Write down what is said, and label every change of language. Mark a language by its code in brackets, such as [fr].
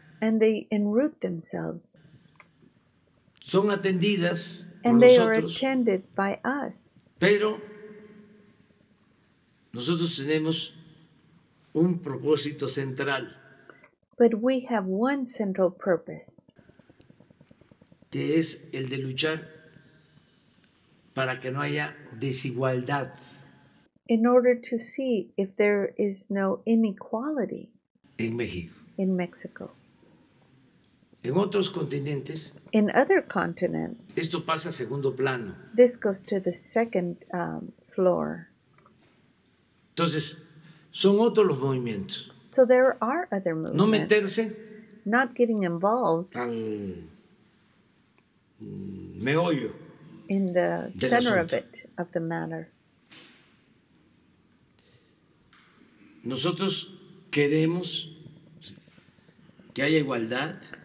[en] and they enroot themselves. [es] Son atendidas [en] and and they are attended by us. [es] Pero nosotros tenemos un propósito central. [en] But we have one central purpose. [es] Que es el de luchar para que no haya desigualdad. [en] In order to see if there is no inequality. [es] En México. [en] In Mexico. [es] En otros continentes. [en] In other continents. [es] Esto pasa a segundo plano. [en] This goes to the second floor. [es] Entonces, son otros los movimientos. [en] So there are other movements. [es] No meterse. [en] Not getting involved. [es] Al meollo. [en] In the center of it, of the matter. [es] Nosotros queremos que haya igualdad.